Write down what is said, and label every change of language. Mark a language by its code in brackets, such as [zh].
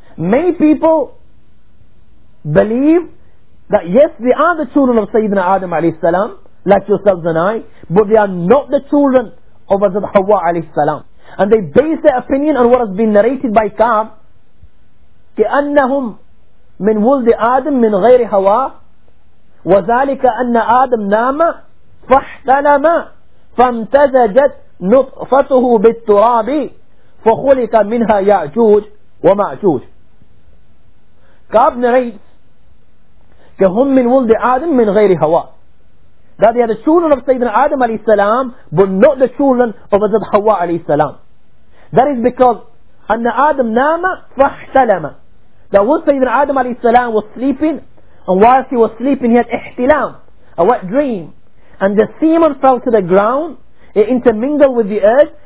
[en] Many people believe that yes, they are the children of Sayyidina Adam alayhi salam, like yourselves and I, but they are not the children of Hazrat Hawa alayhi salam. And they base their opinion on what has been narrated by Ka'ab, [ar] كأنهم من ولد آدم من غير هوا وذلك أن آدم نام فاحتلم فامتزجت نطفته بالتراب فخلق منها يأجوج ومأجوج. [en] Ka'ab narrates [ar] كهم من ولد آدم من غير هوا, [en] that they are the children of Sayyidina Adam alayhi salam, but not the children of Hazrat Hawa alayhi salam. That is because [ar] أن آدم نام فاحتلم, [en] that when Sayyidina Adam alayhi salam was sleeping, and whilst he was sleeping he had ihtilam, a wet dream, and the semen fell to the ground, it intermingled with the earth.